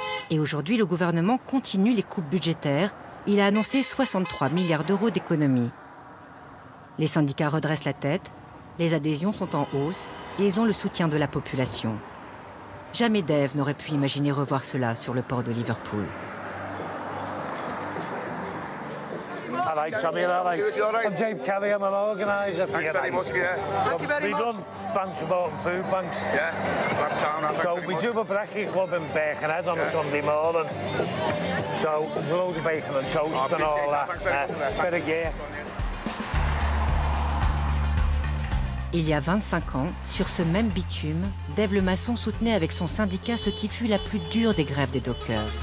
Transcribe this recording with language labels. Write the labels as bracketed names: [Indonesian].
[French] Et aujourd'hui, le gouvernement continue les coupes budgétaires. Il a annoncé 63 milliards d'euros d'économies. Les syndicats redressent la tête, les adhésions sont en hausse et ils ont le soutien de la population. Jamais Dave n'aurait pu imaginer revoir cela sur le port de Liverpool. [English] Alright, Tommy, alright. I'm Dave Kelly, I'm an organizer. Thanks very much, yeah. Thank you very much. We done banks about food banks. Yeah, that's sound. So we do a brekkie club in Birkenhead on a Sunday morning. So there's a load of bacon and toast and all that. Bit of gear. [French] Il y a 25 ans, sur ce même bitume, Dave le maçon soutenait avec son syndicat ce qui fut la plus dure des grèves des dockers.